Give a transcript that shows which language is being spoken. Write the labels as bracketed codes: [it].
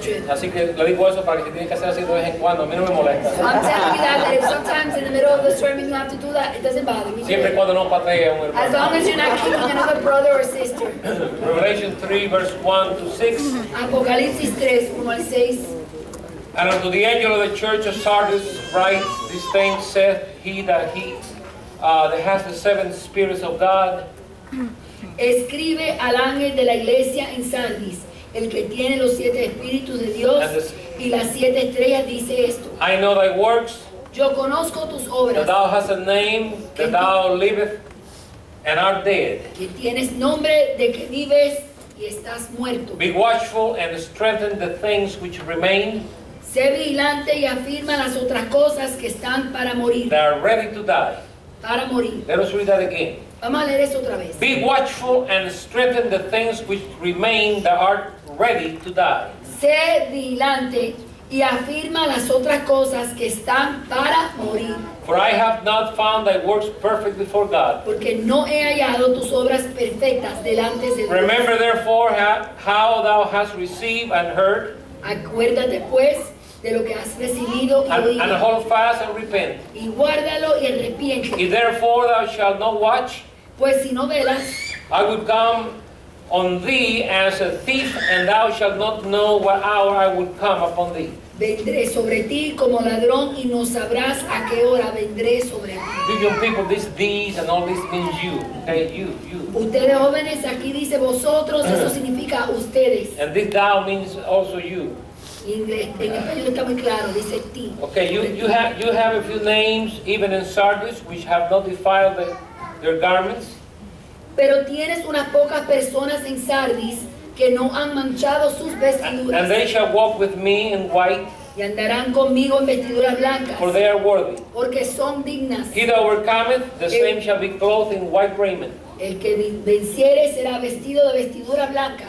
[es] Así que le digo eso para que se tiene que hacer así de vez en cuando. A mí no me molesta. [en] I'm telling you that if sometimes in the middle of the sermon you have to do that, it doesn't bother me. [es] Siempre cuando no patee a un hermano. [en] As long as you're not kicking another brother or sister. Revelation 3, verse 1 to 6. [es] Apocalipsis 3, 1 al 6. [en] And unto the angel of the church of Sardis write, this thing saith he that he that has the seven spirits of God. [es] Escribe al ángel de la iglesia en Sardis, el que tiene los siete espíritus de Dios y las siete estrellas, dice esto. [en] I know thy works. [es] Yo conozco tus obras. [en] That thou hast a name, that thou livest and art dead. [es] Que tienes nombre de que vives y estás muerto. [en] Be watchful and strengthen the things which remain. [es] Sé vigilante y afirma las otras cosas que están para morir. [en] They are ready to die. [es] Para morir. [en] Let us read that again. [es] Vamos a leer eso otra vez. [en] Be watchful and strengthen the things which remain that are ready to die. [es] Sé vigilante y afirma las otras cosas que están para morir. [en] For I have not found thy works perfect before God. [es] Porque no he hallado tus obras perfectas delante de Dios. [en] Remember therefore how thou hast received and heard. [es] Acuérdate pues de lo que has recibido y oído. [en] And hold fast and repent. [es] Y guárdalo y arrepiente. [en] If therefore thou shalt not watch, [es] pues si no velas, [en] I would come on thee as a thief, and thou shalt not know what hour I would come upon thee. [es] Vendré sobre ti como ladrón y no sabrás a qué hora vendré sobre ti. [en] You people, this these and all this means you. Okay, you. [es] Ustedes jóvenes, aquí dice vosotros, eso significa ustedes. [en] And this thou means also you. Okay, you have a few names even in Sardis which have not defiled their garments. [es] Pero tienes unas pocas personas en Sardis que no han manchado sus vestiduras. [en] And they shall walk with me in white. [es] Y andarán conmigo en vestiduras blancas. [en] For they are worthy. [es] Porque son dignas. [en] He that overcometh, the same shall be clothed in white raiment. [es] El que venciere será vestido de vestiduras blancas.